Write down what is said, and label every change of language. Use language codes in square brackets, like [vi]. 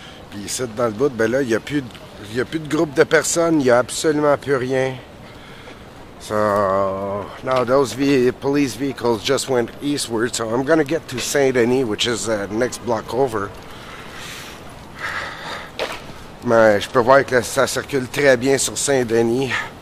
[fr] Puis ici, dans le bout, ben là, il n'y a plus de groupe de personnes. Il n'y a absolument plus rien. [en] So, now those police vehicles just went eastward. So, I'm going to get to Saint-Denis, which is the next block over. [fr] Mais je peux voir que ça circule très bien sur Saint-Denis.